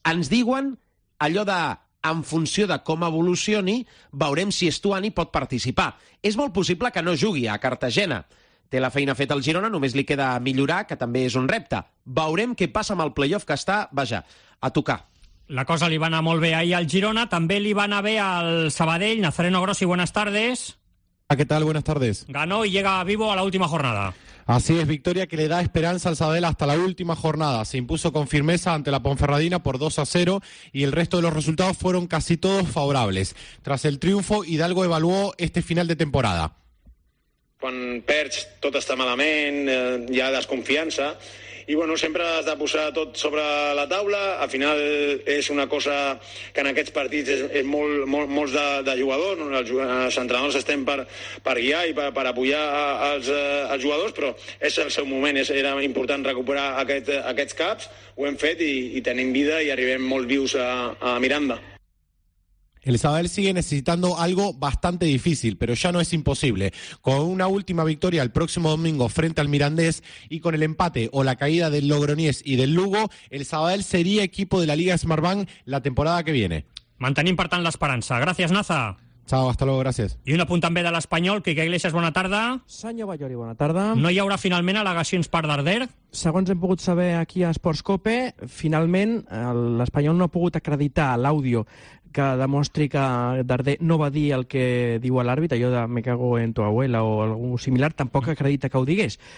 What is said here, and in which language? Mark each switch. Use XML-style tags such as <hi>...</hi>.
<ca>Ens diuen allò de, en funció de com evolucioni, veurem si Estuani pot participar. És molt possible que no jugui a Cartagena. Té la feina feta al Girona, només li queda millorar, que també és un repte. Veurem què passa amb el playoff que està, vaja, a tocar. La cosa li va anar molt bé ahir al Girona, també li va anar bé al Sabadell.</ca> <es>Nazareno Grossi, buenas tardes. ¿Qué tal? Buenas tardes. Ganó y llega vivo a la última jornada. Así es, victoria que le da esperanza al Sabadell hasta la última jornada. Se impuso con firmeza ante la Ponferradina por 2-0 y el resto de los resultados fueron casi todos favorables. Tras el triunfo, Hidalgo evaluó este final de temporada.</es> <ca>Quan perds, tot està malament, hi ha desconfiança. I bueno, sempre has de posar tot sobre la taula. Al final és una cosa que en aquests partits és molts de jugadors. Els entrenadors estem per guiar i per apoyar els jugadors, però és el seu moment. Era important recuperar aquests caps. Ho hem fet i tenim vida i arribem molt vius a Miranda.</ca> <es>El Sabadell sigue necesitando algo bastante difícil, pero ya no es imposible. Con una última victoria el próximo domingo frente al Mirandés y con el empate o la caída del Logroñés y del Lugo, el Sabadell sería equipo de la Liga Smartbank la temporada que viene.</es> <ca>Mantenim, per tant, l'esperança. Gràcies, Naza.</ca> <es>Chao, hasta luego, gracias.</es> <ca>I un apunt també de l'Espanyol, Quique Iglesias, bona tarda. Senyor Ballori, bona tarda. No hi haurà finalment al·legacions per Darder? Segons hem pogut saber aquí a Sportscope, finalment l'Espanyol no ha pogut acreditar l'àudio que demostri que Darder no va dir el que diu l'àrbitre, allò de</ca> <es>me cago en tu abuela</es> <ca>o algú similar, tampoc acredita que ho digués.</ca>